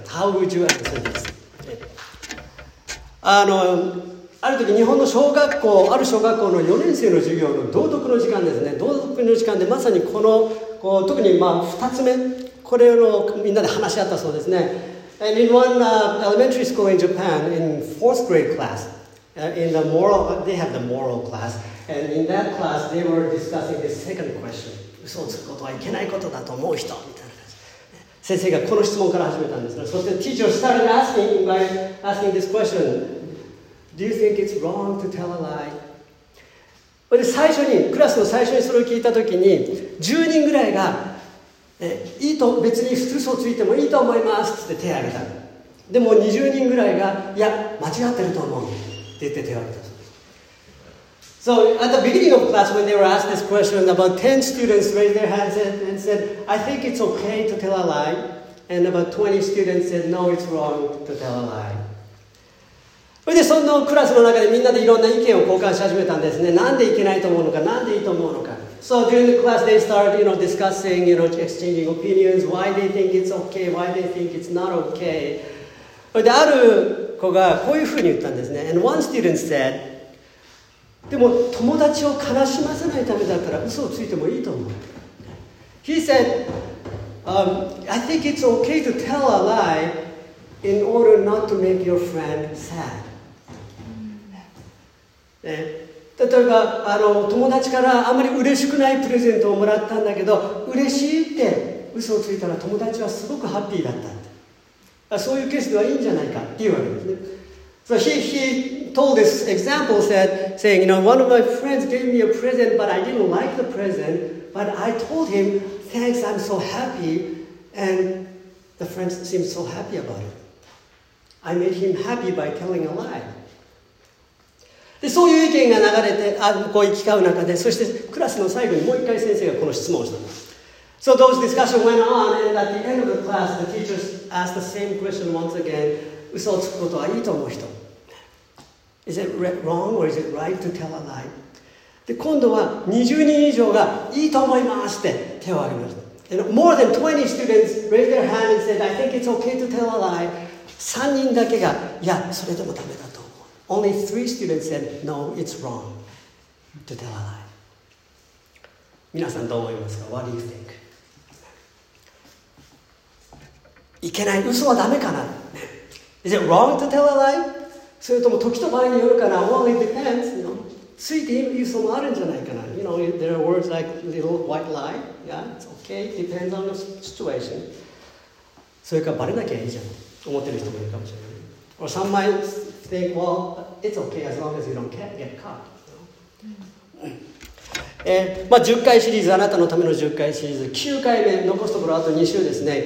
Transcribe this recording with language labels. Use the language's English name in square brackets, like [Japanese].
[English] How would you answer this? [Japanese] ある時日本の小学校、ある小学校の4年生の授業の道徳の時間ですね。道徳の時間でまさにこのこう特にまあ2つ目、これをみんなで話し合ったそうですね。 [English] And in one、elementary school in Japan, in fourth grade class、in the moral, they have the moral class. And in that class, they were discussing the second question. [Japanese] 嘘をつくことはいけないことだと思う人みたいな。先生がこの質問から始めたんですね。そして [English] teacher started asking this question. Do you think it's wrong to tell a lie? [Japanese] で最初にクラスの最初にそれを聞いたときに10人ぐらいがいいと別に嘘をついてもいいと思いますって手を挙げた。でも20人ぐらいがいや間違ってると思うって言って手を挙げた。 [English] So at the beginning of class, when they were asked this question, about 10 students raised their hands and said, I think it's okay to tell a lie. And about 20 students said, no, it's wrong to tell a lie. [Japanese] それでそのクラスの中でみんなでいろんな意見を交換し始めたんですね。なんでいけないと思うのか、なんでいいと思うのか。 [English] So during the class, they started, you know, discussing, you know, exchanging opinions, why they think it's okay, why they think it's not okay. [Japanese] それである子がこういうふうに言ったんですね。 [English] And one student said, [Japanese] でも友達を悲しませないためだったら嘘をついてもいいと思う。 [English] He said,、I think it's okay to tell a lie in order not to make your friend sad.、 [Japanese] ね、例えば友達からあまり嬉しくないプレゼントをもらったんだけど、嬉しいって嘘をついたら友達はすごくハッピーだったって。そういうケースではいいんじゃないかっていうわけですね。 [English] So he told this example, saying, you know, one of my friends gave me a present, but I didn't like the present, but I told him, thanks, I'm so happy, and the friend seemed so happy about it. I made him happy by telling a lie. [Japanese] で、そういう意見が流れて、こう行き交う中で、そしてクラスの最後にもう一回先生がこの質問をしたんです。 [English] So those discussions went on, and at the end of the class, the teachers asked the same question once again, [Japanese] 嘘をつくことはいいと思う人。 [English] Is it wrong or is it right to tell a lie? [Japanese] で、今度は20人以上がいいと思いますって手を挙げました。 [English] And more than 20 students raised their hand and said, I think it's okay to tell a lie. [Japanese] 3人だけが、いや、それでもダメだと思う。 [English] Only 3 students said, no, it's wrong to tell a lie. [Japanese] 皆さんどう思いますか? [English] What do you think? [Japanese] いけない、嘘はダメかな? [English] Is it wrong to tell a lie? [Japanese] それとも時と場合によるかな? [English] Well, it depends. You know? [Japanese] ついていい嘘もあるんじゃないかな? [English] You know, there are words like little white lie. Yeah, it's okay. It depends on the situation. [Japanese] それかバレなきゃいいじゃん。思ってる人もいるかもしれない。 [English] Or some might think, well, it's okay as long as you don't get caught. You know? [Japanese] まあ10回シリーズ、あなたのための10回シリーズ、9回目、残すところあと2週ですね。